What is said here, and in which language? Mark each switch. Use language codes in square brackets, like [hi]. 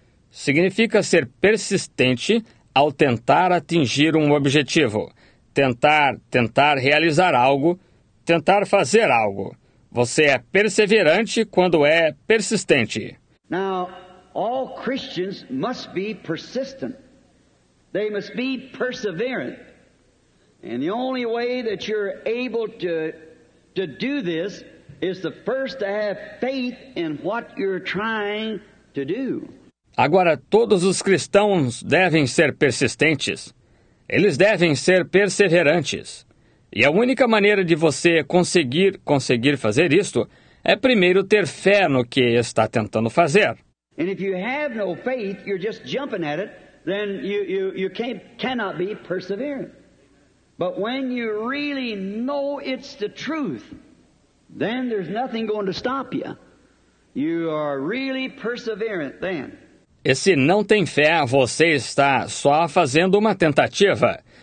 [pt] Significa ser persistente ao tentar atingir um objetivo, tentar realizar algo, tentar fazer algo. Você é perseverante quando é persistente. [en] Now, all Christians must be persistent. They must be perseverant. And the only way that you're able to do this is the first to have faith in what you're trying to do. [pt] Agora, todos os cristãos devem ser persistentes. Eles devem ser perseverantes. E a única maneira de você conseguir fazer isto é primeiro ter fé no que está tentando fazer. [en] And if you have no faith, you're just jumping at it, then you cannot be perseverant. But when you really know it's the truth, then there's nothing going to stop you. You are really perseverant then. [pt] E se não tem fé, você está só fazendo uma tentativa.